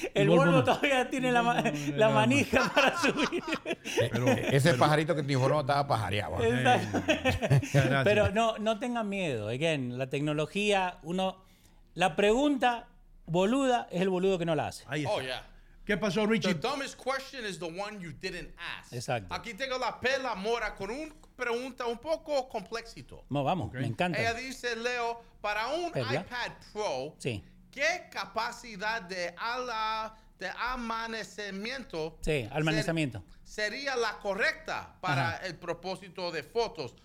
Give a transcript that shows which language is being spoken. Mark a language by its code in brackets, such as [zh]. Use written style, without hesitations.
[es] El Volvo todavía tiene la manija para subir. Pero pajarito que te informó estaba pajareado. Pero no tengas miedo. [en] Again, [es] la tecnología, uno... La pregunta boluda es el boludo que no la hace. Ahí está. [en] Oh, yeah. [es] ¿Qué pasó, Richie? [en] The dumbest question is the one you didn't ask. [es] Exacto. Aquí tengo la Pela Mora con una pregunta un poco complexito. No, vamos, me encanta. Ella dice, Leo, para un Pela. iPad Pro... Sí. ¿Qué capacidad de almacenamiento, sería la correcta para el propósito de fotos?